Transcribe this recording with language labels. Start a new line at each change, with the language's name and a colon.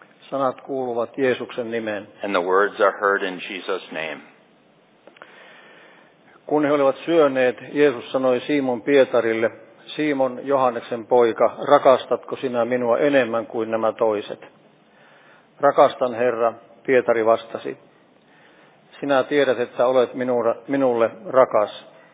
Finnish: Sanat kuuluvat Jeesuksen nimeen.
English: And the words are heard in Jesus' name.
Finnish: Kun he olivat syöneet, Jeesus sanoi Simon Pietarille, Simon Johanneksen poika, rakastatko sinä minua enemmän kuin nämä toiset? Rakastan, Herra, Pietari vastasi. Sinä tiedät, että olet minulle rakas.